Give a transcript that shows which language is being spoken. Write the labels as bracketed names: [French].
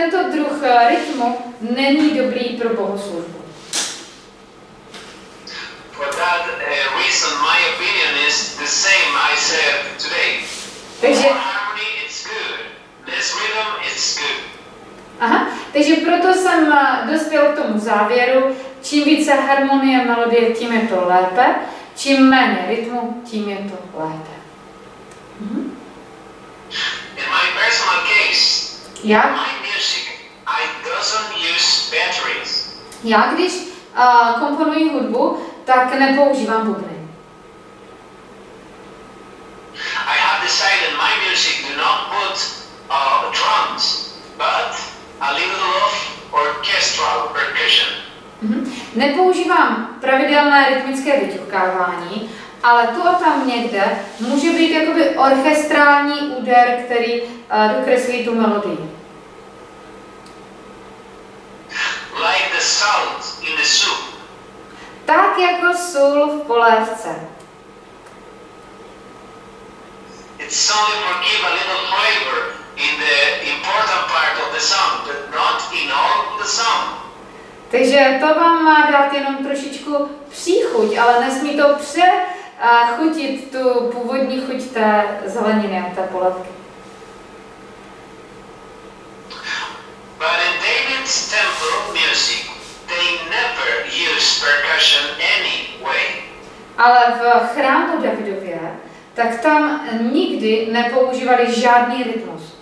[Czech] druh rytmu není dobrý pro bohoslužbu. [English] For that reason, my opinion is the same I said today. [Czech] Takže [English] harmony is good. This rhythm is good. [Czech] Aha, takže proto jsem dospěl k tomu závěru, čím více harmonie melodie, tím je to lépe, čím méně rytmu, tím je to lépe. [English] In my personal case, [Czech] já? [English] My music, I doesn't use batteries. [Czech] Já, když komponuji hudbu, tak nepoužívám bubny. [English] I have decided my music do not put drums, but a little of orchestral percussion. Mm-hmm. [Czech] Nepoužívám pravidelné rytmické vyťukávání, ale tu a tam někde může být jakoby orchestrální úder, který dokreslí tu melodii. [English] Like the salt in the soup. [Czech] Tak jako sůl v polévce. [English] It's only for give a little flavor in the important part of the song, but not in all the song. [Czech] Takže to vám má dát jenom trošičku příchuť, ale nesmí to přechutit tu původní chuť té zeleniny a té polévky. [English] But in David's temple music, they never use percussion any way. [Czech] Ale v chrámu Davidově, tak tam nikdy nepoužívali žádný rytmus.